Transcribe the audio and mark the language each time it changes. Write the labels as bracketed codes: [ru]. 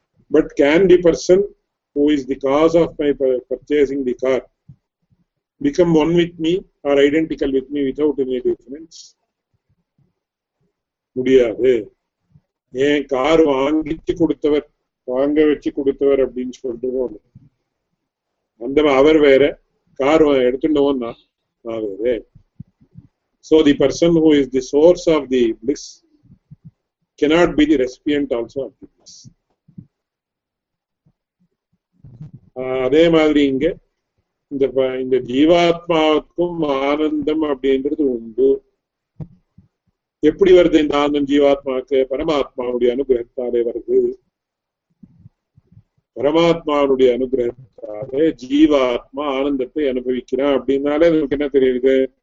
[en] But can the person who is the cause of my purchasing the car become one with me or identical with me without any difference? [ta] முடியாது. ஏன் car வாங்கிச்சு கொடுத்தவர் வாங்க வச்சு கொடுத்தவர் அப்படின்னு சொல்றோம், அந்த அவர் வேற கார் எடுத்துட்டோம்னா நான் வேற. [en] So the person who is the source of the bliss cannot be the recipient also of the bliss. [ta] அதே மாதிரி இங்க இந்த ஜீவாத்மாவுக்கும் ஆனந்தம் அப்படின்றது உண்டு. எப்படி வருது இந்த ஆனந்தம் ஜீவாத்மாவுக்கு? பரமாத்மாவுடைய அனுகிரகத்தாலே வருது. பரமாத்மாவுடைய அனுகிரகத்தாலே ஜீவாத்மா ஆனந்தத்தை அனுபவிக்கிறான் அப்படின்னாலே நமக்கு என்ன தெரியுது?